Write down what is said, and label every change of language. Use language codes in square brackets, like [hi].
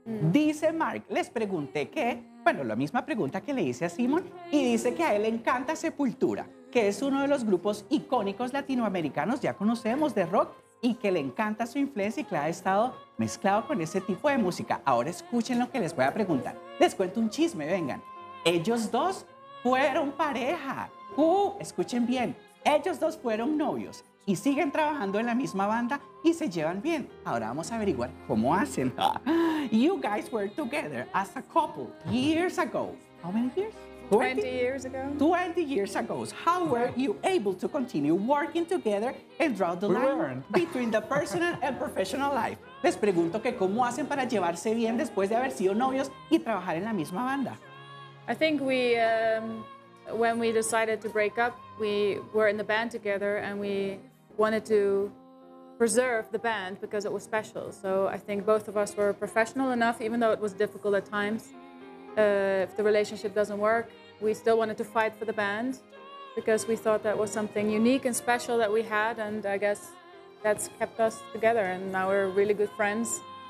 [es] Dice Mark, les pregunté que, bueno, la misma pregunta que le hice a Simon, y dice que a él le encanta Sepultura, que es uno de los grupos icónicos latinoamericanos, ya conocemos, de rock, y que le encanta su influencia y que ha estado mezclado con ese tipo de música. Ahora escuchen lo que les voy a preguntar. Les cuento un chisme, vengan. Ellos dos fueron pareja. Escuchen bien. Ellos dos fueron novios y siguen trabajando en la misma banda y se llevan bien. Ahora vamos a averiguar cómo hacen. [en] You guys were together as a couple years ago. How many years? 20 years ago. How were you able to continue working together and draw the line between the personal and professional life? [es] Les pregunto que cómo hacen para llevarse bien después de haber sido novios y trabajar en la misma banda. [en] I think we, when we decided to break up, we were in the band together and we wanted to preserve the band because it was special. So I think both of us were professional enough, even though it was difficult at times. If the relationship doesn't work, we still wanted to fight for the band because we thought that was something unique and special that we had, and I guess that's kept us together, and now we're really good friends.